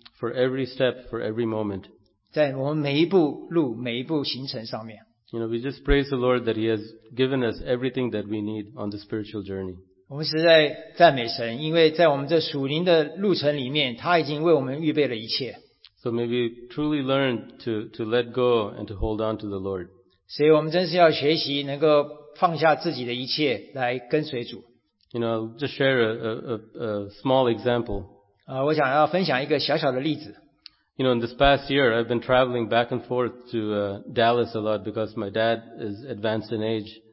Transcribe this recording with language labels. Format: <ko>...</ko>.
<en>For every step, for every moment.</en> <zh>在我们每一步路，每一步行程上面。</zh> <en>You know, we just praise the Lord that He has given us everything that we need on the spiritual journey.</en> <zh>我们实在赞美神，因为在我们这属灵的路程里面，他已经为我们预备了一切。</zh> <en>So may we truly learn to let go and to hold on to the Lord.</en> <zh>所以我们真是要学习能够放下自己的一切来跟随主。</zh> <en>You know, I'll just share a small example.</en> <zh>我想要分享一个小小的例子。</zh> <en>You know, in this past year, I've been traveling back and forth to Dallas a lot because my dad is advanced in age.</en>